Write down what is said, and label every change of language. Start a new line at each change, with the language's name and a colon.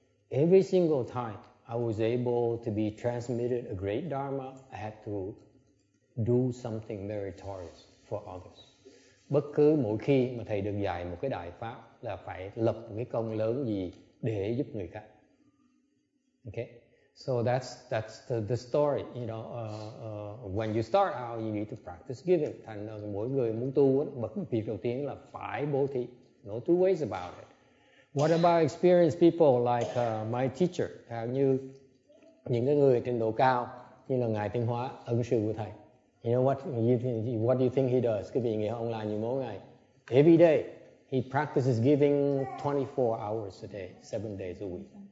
English: Every single time I was able to be transmitted a great dharma, I had to do something meritorious for others.
Vietnamese: Bất cứ mỗi khi mà thầy được dạy một cái đại pháp là phải lập một cái công lớn gì để giúp người khác.
English: Okay, so that's the story. You know, when you start out, you need to practice giving.
Vietnamese: Thành ra mỗi người muốn tu bất kỳ việc đầu tiên là phải bố thí.
English: No two ways about it. What about experienced people like my teacher?
Vietnamese: Hầu như những cái người trình độ cao như là Ngài Tịnh Hóa, ân sư của thầy.
English: You know what do you think he does?
Vietnamese: Quý vị nghĩ ông làm như mỗi ngày.
English: Every day, he practices giving 24 hours a day, 7 days a week.